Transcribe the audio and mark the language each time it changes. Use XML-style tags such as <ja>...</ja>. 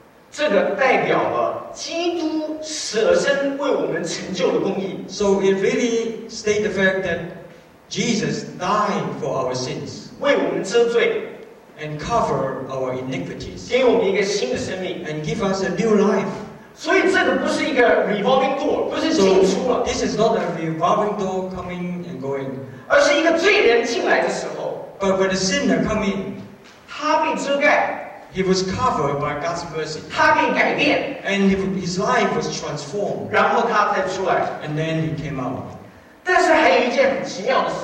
<zh>这个代表了基督舍身为我们成就的公义。</zh> <en>So it really states the fact that Jesus died for our sins,</en> <zh>为我们遮罪,</zh> <en>and cover our iniquities,</en> <zh>给我们一个新的生命,</zh> <en>and give us a new life.</en> <zh>所以这个不是一个</zh> <en>revolving door,</en> <zh>不是进出了,</zh> <en>so this is not a revolving door coming and going,</en> <zh>而是一个罪人进来的时候,</zh> <en>but when a sinner comes in,</en> <zh>他被遮盖,</zh> <en>he was covered by God's mercy,</en> <zh>他被改变,</zh> <en>and his life was transformed,</en> <zh>然后他再出来,</zh> <en>and then he came out.</en> <zh>但是还有一件很奇妙的事，</zh>